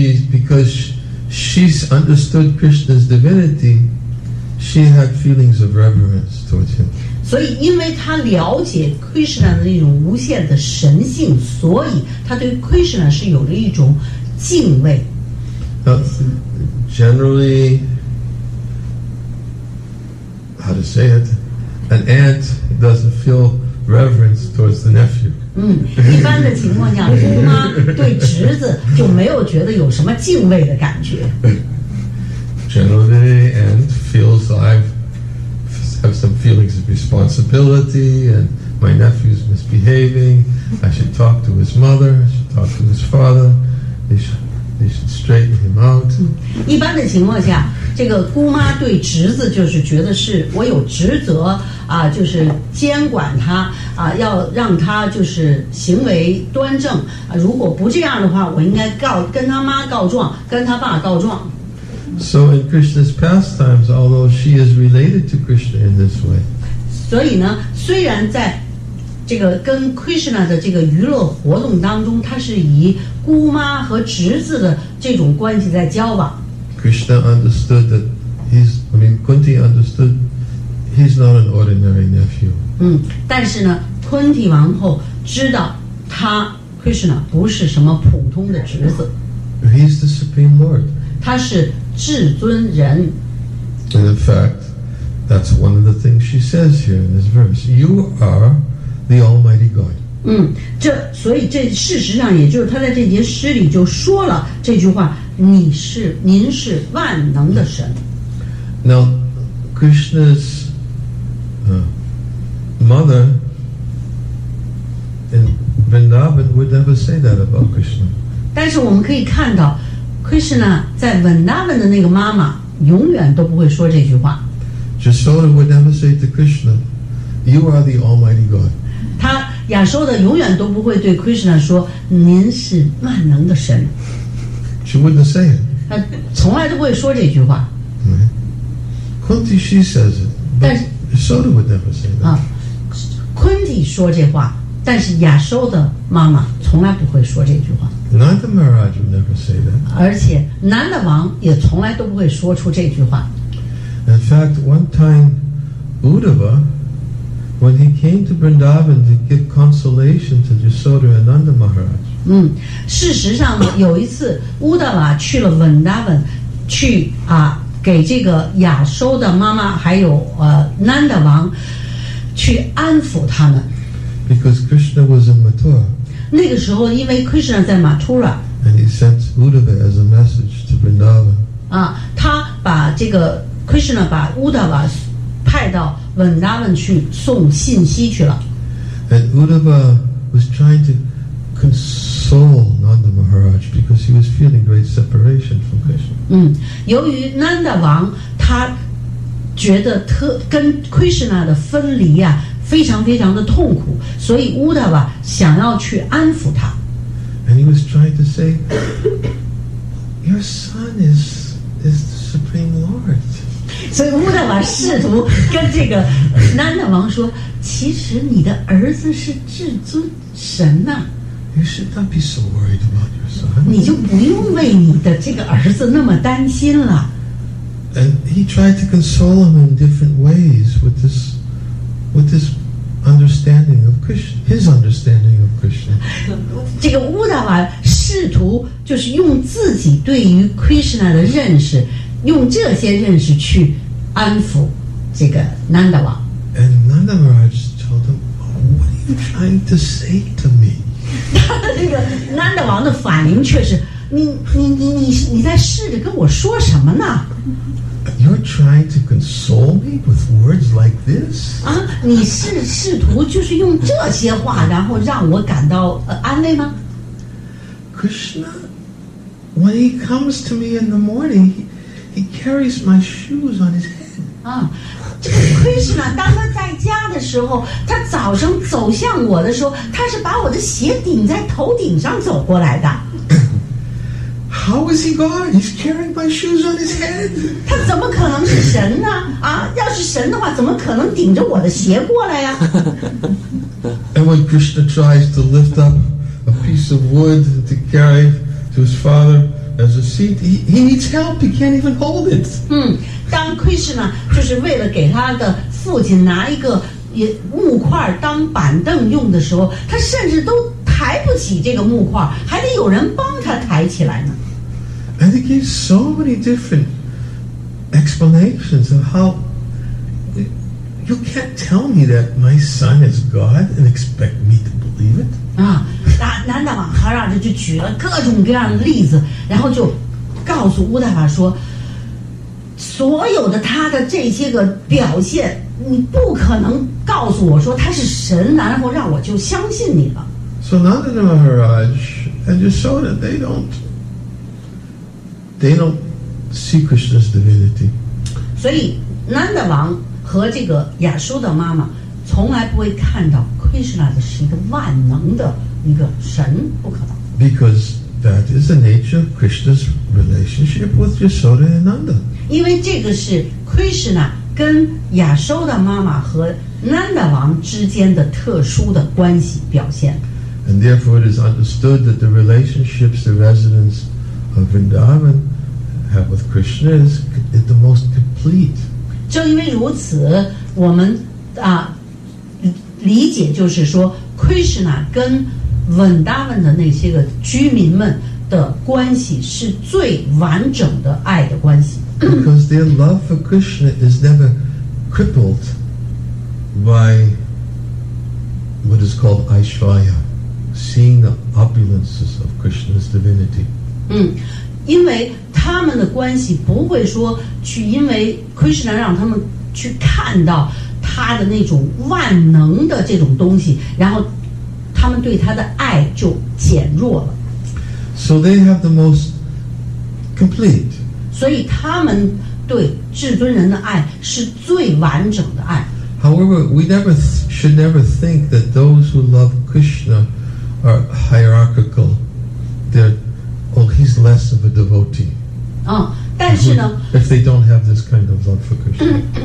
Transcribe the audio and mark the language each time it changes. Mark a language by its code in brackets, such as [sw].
[en] Because she understood Krishna's divinity, she had feelings of reverence towards him. So, because she understood Krishna's [zh] 那种无限的神性，所以她对 Krishna 是有了一种敬畏。 [en] Generally, how to say it, an aunt doesn't feel reverence towards the nephew. [zh] 一般的情况下，姑妈对侄子就没有觉得有什么敬畏的感觉。 [en] Generally, aunt feels I've have some feelings of responsibility, and my nephew's misbehaving. I should talk to his mother. I should talk to his father. They should straighten him out. [zh] 一般的情况下，这个姑妈对侄子就是觉得是我有职责。就是监管他要让他就是行为端正如果不这样的话我应该跟他妈告状跟他爸告状 [en] So in Krishna's pastimes although she is related to Krishna in this way [zh] 所以呢虽然在这个跟 Krishna 的这个娱乐活动当中他是以姑妈和侄子的这种关系在交往 [en] Krishna understood that Kunti understoodHe's not an ordinary nephew. [zh] 但是呢，昆提王后知道他 Krishna 不是什么普通的侄子。 [en] He's the supreme lord. [zh] 他是至尊人。 [en] And in fact, that's one of the things she says here in this verse. You are the Almighty God. [zh] 所以这事实上也就是他在这节诗里就说了这句话：您是万能的神。 [en] Now, Krishna's mother in Vrindavan would never say that about Krishna. [zh] 但是我们可以看到 Krishna 在 Vrindavan 的那个妈妈永远都不会说这句话。 [en] Yashoda would never say to Krishna, "You are the Almighty God." [zh] 他亚修的永远都不会对 Krishna 说，您是万能的神。 [en] She wouldn't say it. [zh] 他从来都不会说这句话。 [en] Kunti, she says it, but Yashoda would never say that. [zh] 昆蒂说这话，但是亚修的妈妈从来不会说这句话。 [en] Nanda Maharaj would never say that. [zh] 而且南的王也从来都不会说出这句话。 [en] In fact, one time, Uddhava, when he came to Vrindavan to give consolation to Yashoda and Nanda Maharaj. [zh] 事实上有一次乌达瓦去了 Vrindavan 去啊给这个亚修的妈妈还有南的王去安抚他们。 [en] Because Krishna was in Mathura. [zh] 那个时候因为 Krishna 在 Mathura. [en] And he sent Uddhava as a message to Vrindavan. [zh] 啊，他把这个Krishna 把 Uddhava 派到 Vrindavan 去送信息去了。 [en] And Uddhava was trying to console Nanda Maharaj because he was feeling great separation from Krishna. [zh] 由于 Nanda 王他觉得跟 Krishna 的分离啊非常非常的痛苦，所以 Uddhava 想要去安抚他。 [en] And he was trying to say, "Your son is the supreme lord." [zh] 所以乌达瓦试图跟这个南的王说，其实你的儿子是至尊神呐、 [en] 啊。You should not be so worried about your son. [zh] 你就不用为你的这个儿子那么担心了。 [en] And he tried to console him in different ways with this understanding of Krishna, his understanding of Krishna. [zh] 这个乌达瓦试图就是用自己对于 Krishna 的认识，用这些认识去安抚这个 Nanda 王。 [en] And Nanda Maharaj told him, "What are you trying to say to me?" [zh] 这个 Nanda 王的反应却是，你在试着跟我说什么呢 [en] ？You're trying to console me with words like this? [zh] 啊，你是试图就是用这些话，然后让我感到安慰吗 [en] ？Krishna, when he comes to me in the morning. He carries my shoes on his head. [zh] 这个Krishna 当他在家的时候，他早上走向我的时候，他是把我的鞋顶在头顶上走过来的。 [en] How is he God? He's carrying my shoes on his head. [zh] 他怎么可能是神呢？啊，要是神的话，怎么可能顶着我的鞋过来呀 [en] ？And when Krishna tries to lift up a piece of wood to carry to his father. As a seat, he needs help. He can't even hold it. [zh] 当 Krishna 就是为了给他的父亲拿一个木块当板凳用的时候，他甚至都抬不起这个木块，还得有人帮他抬起来呢。 [en] And he gives so many different explanations of how you can't tell me that my son is God and expect me to believe it. [zh] 南大王哈拉就举了各种各样的例子，然后就告诉乌大法说，所有的他的这些个表现，你不可能告诉我说他是神，然后让我就相信你了。 [en] So Nanda Maharaj and Yashoda, they don't see Krishna's divinity. [zh] 所以南大王和这个亚修的妈妈从来不会看到 Krishna 的是一个万能的。一个神不可能 [en] ，because that is the nature of Krishna's relationship with Yashoda and Nanda. [zh] 因为这个是 Krishna 跟亚修的妈妈和 Nanda 王之间的特殊的关系表现。 [en] And therefore, it is understood that the relationships the residents of Vrindavan have with Krishna is the most complete. [zh] 正因为如此，我们啊理解就是说 ，Krishna 跟稳达文的那些个居民们的关系是最完整的爱的关系。 [en] Because their love for Krishna is never crippled by what is called Aishvarya, seeing the opulences of Krishna's divinity. [zh] 因为他们的关系不会说去因为 Krishna 让他们去看到他的那种万能的这种东西，然后。他们对他的爱就减弱了。 [en] So they have the most complete. [zh] 所以他们对至尊人的爱是最完整的爱。 [en] However, we never should never think that those who love Krishna are hierarchical. They're, well, he's less of a devotee. [zh] 但是呢 [en] if they don't have this kind of love for Krishna.